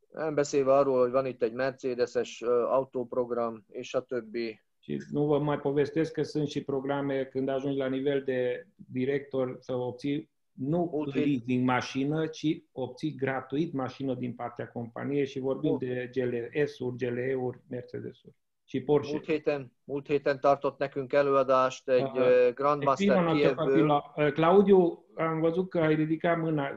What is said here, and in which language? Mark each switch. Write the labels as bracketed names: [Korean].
[Hungarian] Nem beszélve arról, hogy van itt egy Mercedes-es autóprogram, és a többi. [Romanian] Și nu vă mai povestesc că sunt și programe când ajungi la nivel de director să obții nu leasing mașină, ci obții gratuit mașină din partea companiei și vorbim de GLS-uri, GLE-uri, Mercedes-uri. Și Porsche. [Hungarian] Múlt héten tartott nekünk előadást egy Grandmaster Kievből. [Romanian] Claudiu, am văzut că ai ridicat mâna.